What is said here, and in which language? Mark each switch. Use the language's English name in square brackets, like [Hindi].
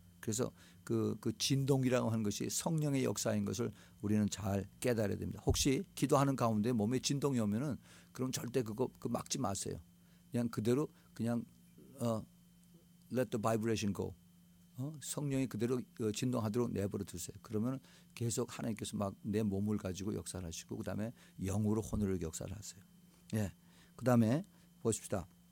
[Korean] 그래서 그 진동이라고 하는 것이 성령의 역사인 것을 우리는 잘 깨달아야 됩니다. 혹시 기도하는 가운데 몸에 진동이 오면은 그럼 절대 그거 막지 마세요. 그냥 그대로 그냥 [English] let the vibration go. [Korean] 성령이 그대로 진동하도록 내버려 두세요. 그러면 계속 하나님께서 막 내 몸을 가지고 역사를 하시고 그 다음에 영으로 혼을 역사를 하세요. 예, 그 다음에 보십시다.